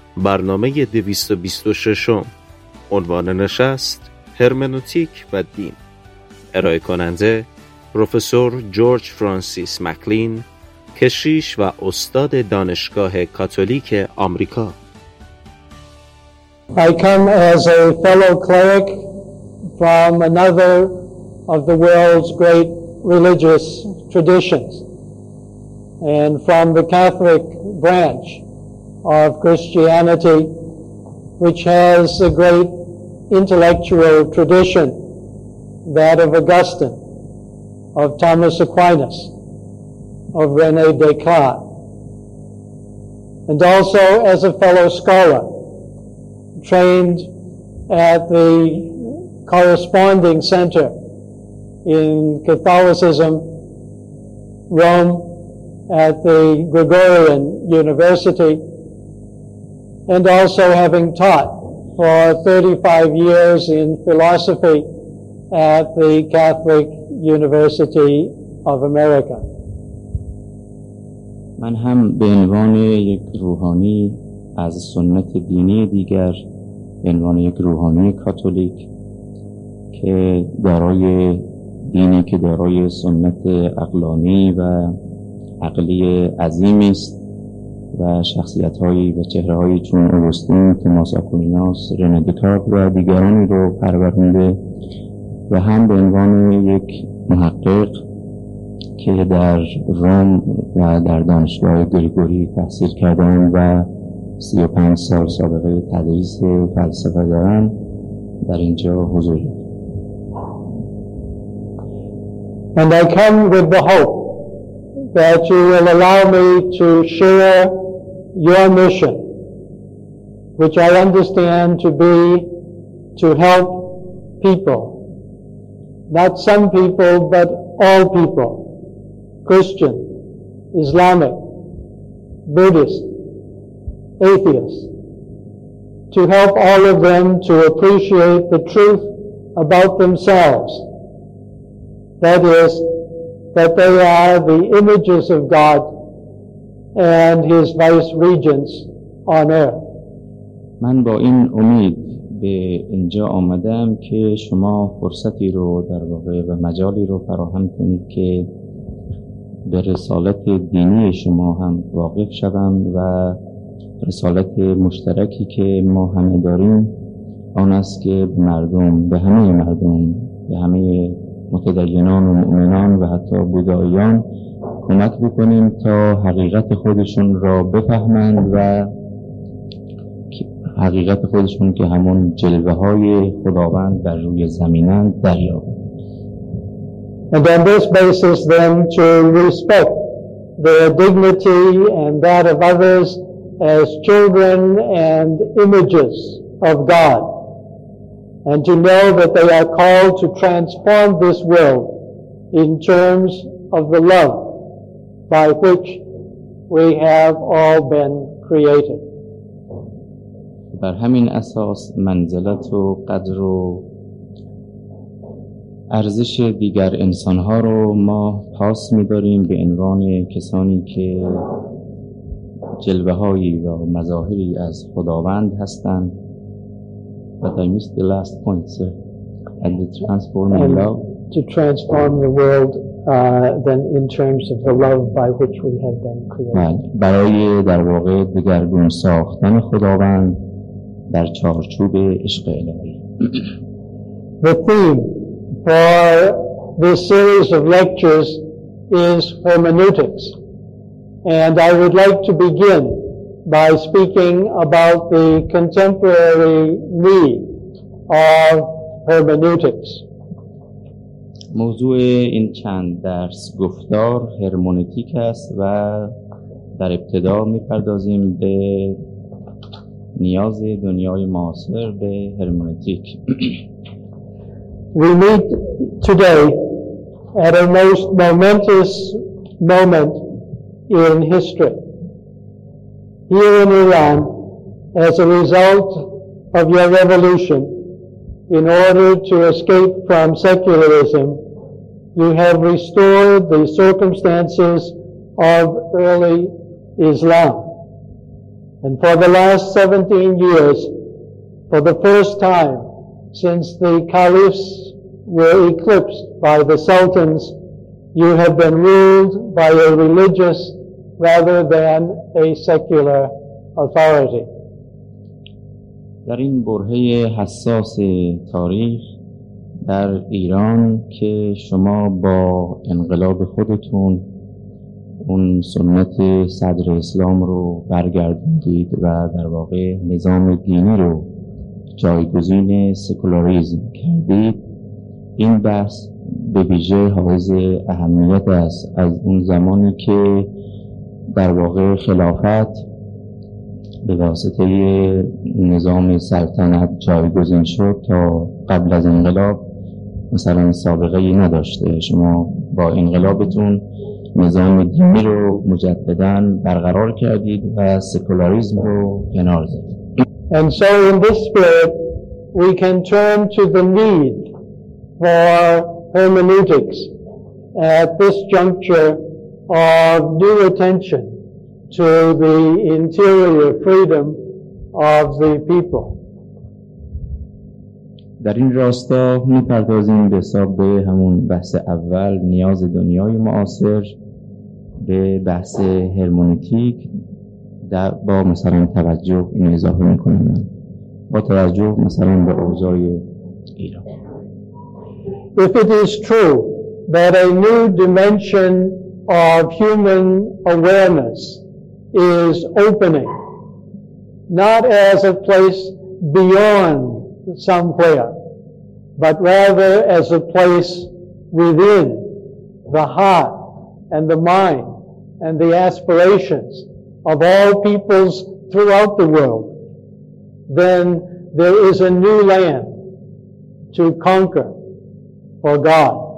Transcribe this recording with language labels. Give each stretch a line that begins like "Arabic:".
Persian: برنامه 226، عنوان نشست هرمنوتیک و دین، ارائه کننده پروفسور جورج فرانسیس مکلین، کشیش و استاد دانشگاه کاتولیک آمریکا.
English: I come as a fellow cleric from another of the world's great religious traditions and from the Catholic branch of Christianity, which has a great intellectual tradition, that of Augustine, of Thomas Aquinas, of René Descartes, and also as a fellow scholar trained at the corresponding center in Catholicism, Rome, at the Gregorian University, and also having taught for 35 years in philosophy at the Catholic University of America.
Persian: من هم به عنوان یک روحانی از سنت دینی دیگر، به عنوان یک روحانی کاتولیک که دارای دینی که دارای سنت عقلانی و عقلی عظیمی است و شخصیت‌های و چهره‌های چون اوگوستین، توماس آکویناس، رنه دکارت و دیگرانی رو پرورنده، و هم به عنوان یک محقق که در روم و در دانشگاه گریگوری تحصیل کردم و 35 سال سابقه تدریس فلسفه دارم، در اینجا حضور دارم.
English: And I come with the hope that you will allow me to share your mission, which I understand to be to help people, not some people, but all people, Christian, Islamic, Buddhist, atheist, to help all of them to appreciate the truth about themselves. That is, that they are the images of God and His vice regents on earth.
Persian: من با این امید به اینجا آمدم که شما فرصتی رو در واقع و مجالی رو فراهم کنید که به رسالت دینی شما هم واقف شوم و رسالت مشترکی که ما همه داریم آن است که به مردم، به همه مردم، به همه متدینان و مؤمنان و حتی بوداییان کمک بکنیم تا حقیقت خودشون را بفهمند و حقیقت خودشون که همون جلوه های خداوند بر روی زمینند دریابند.
English: And on this basis then to respect their dignity and that of others as children and images of God. And to know that they are called to transform this world in terms of the love by which we have all been created.
Persian: بر همین اساس منزلت و قدر و ارزش دیگر انسان‌ها رو ما پاس می‌داریم به عنوان کسانی که جلوه‌هایی و مظاهری از خداوند هستند.
English: But I missed the last point, sir. And the transforming and love. To transform the world, then in terms of the love by which we have been created.
Persian: برای در واقع دگرگون ساختن خداوند در چارچوب عشق الهی.
English: The theme for this series of lectures is hermeneutics. And I would like to begin by speaking about the contemporary need of hermeneutics.
Persian: موضوع این چند درس گفتار هرمنوتیک است و در ابتدا می‌پردازیم به نیاز دنیای معاصر به هرمنوتیک.
English: We meet today at a most momentous moment in history. Here in Iran, as a result of your revolution, in order to escape from secularism, you have restored the circumstances of early Islam. And for the last 17 years, for the first time since the caliphs were eclipsed by the sultans, you have been ruled by a religious rather than a secular authority.
Persian: در این برهه حساس تاریخ در ایران که شما با انقلاب خودتون اون سنت صدر اسلام رو برگردوندید و در واقع نظام دینی رو جایگزین سکولاریسم کردید، این بحث به ویژه حائز اهمیت است. از اون زمانی که در واقع خلافت به واسطه نظام سلطنت جایگزین شد تا قبل از انقلاب مثلا سابقه ای نداشته، شما با انقلابتون نظام دینی رو مجدداً برقرار کردید و سکولاریسم رو کنار زدید.
English: And so in this spirit we can turn to the need for hermeneutics at this juncture of new attention to the interior freedom of the people.
Persian: در این راستا می‌پردازیم به حساب همون بحث اول، نیاز دنیای معاصر به بحث هرمنوتیک در با مثلا توجه این اضافه می‌کنم با توجه مثلا به اوضاع ایران.
English: If it is true that a new dimension of human awareness is opening, not as a place beyond somewhere, but rather as a place within the heart and the mind and the aspirations of all peoples throughout the world, then there is a new land to conquer for God.